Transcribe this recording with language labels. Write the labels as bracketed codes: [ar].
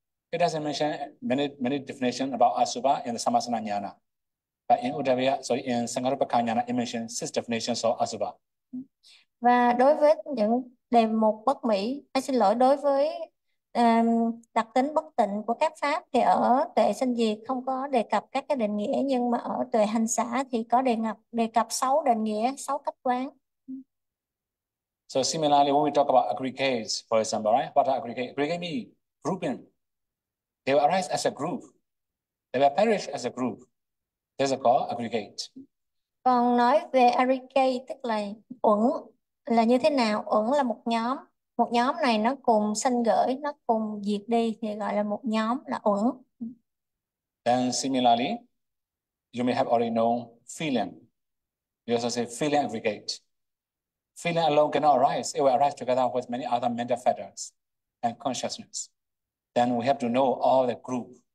[en] It doesn't mention many definitions about Asubha in the Sammasana Nyana. But in Uddhavya, so in Sankharupa Kanyana, it mentions six definitions of Asubha. [vi] Và đối với những đề mục bất mỹ, anh xin lỗi, đối với đặc tính bất tịnh của các pháp thì ở tuệ sanh diệt không có đề cập các cái định nghĩa, nhưng mà ở tuệ hành xã thì có đề cập 6 định nghĩa, 6 cách quán. [en] So similarly, when we talk about aggregates, for example, right? What are aggregates? Aggregates mean grouping. They will arise as a group. They will perish as a group. This is called aggregate. [vi] Còn nói về aggregate tức là uẩn là như thế nào? Uẩn là một nhóm này nó cùng sanh gửi, nó cùng diệt đi thì gọi là một nhóm là uẩn. [en] Then similarly, you may have already known feeling. You also say feeling aggregate. Feeling alone cannot arise. It will arise together with many other mental factors and consciousness. Then we have to know all the group.